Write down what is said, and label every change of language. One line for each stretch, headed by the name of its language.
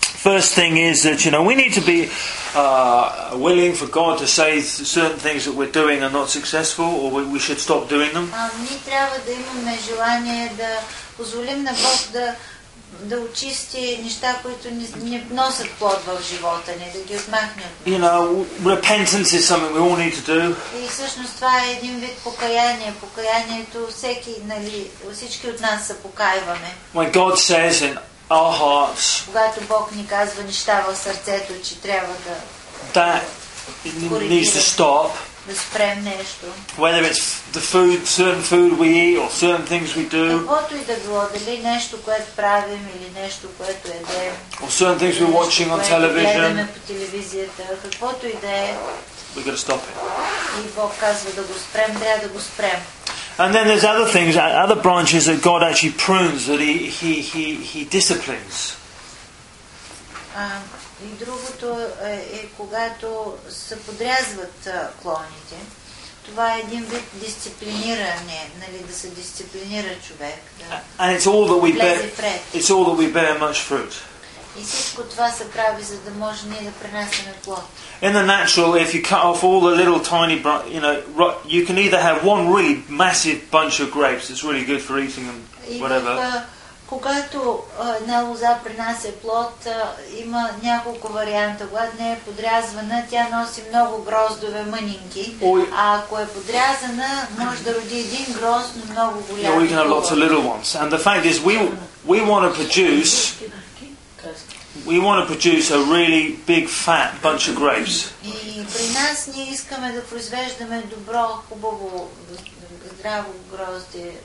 English: First thing is that, you know, we need to be willing for God to say certain things that we're doing are not successful or we should stop doing them.
Bulgarian: Ние трябва да имаме желание да позволим на Бог да очисти неща, които не носят плод в живота ни, да ги отмахне.
English: You know, repentance is something we all need to do.
Bulgarian: И всъщност това е един вид покаяние. Покаянието всеки, нали, всички от нас се покаяваме.
English: When God says in our hearts,
Bulgarian: когато Бог ни казва неща в сърцето, че трябва да
English: needs to stop.
Bulgarian: Да спрем нещо.
English: Whether it's the food, certain food we eat or certain things we do.
Bulgarian: Каквото и да било, дали нещо, което правим или нещо, което едем.
English: Or certain things we're watching on television.
Bulgarian: Гледаме по телевизията, каквото и да е.
English: We gotta stop it.
Bulgarian: И Бог казва да го спрем, трябва да го спрем.
English: And then there's other things, other branches that God actually prunes, that he disciplines.
Bulgarian: И другото е когато се подрязват клоните. Това е един вид дисциплиниране, нали, да се дисциплинира човек.
English: And it's all that we bear. It's all that we bear much fruit.
Bulgarian: И всичко това се прави, за да може ние да пренасеме плод.
English: In the natural, if you cut off all the little tiny, you know, you can either have one really massive bunch of grapes that's really good for eating and whatever.
Bulgarian: Когато една лоза пренася плод, има няколко варианта. Когато не е подрязвана, тя носи много гроздове, мънинки. А ако е подрязана, може да роди един грозд, но много голям.
English: Yeah, we can have lots of little ones. And the fact is, we want to produce. We want to produce a really big fat bunch of grapes.
Bulgarian: И при нас ние искаме да произвеждаме добро, хубаво, здраво грозде.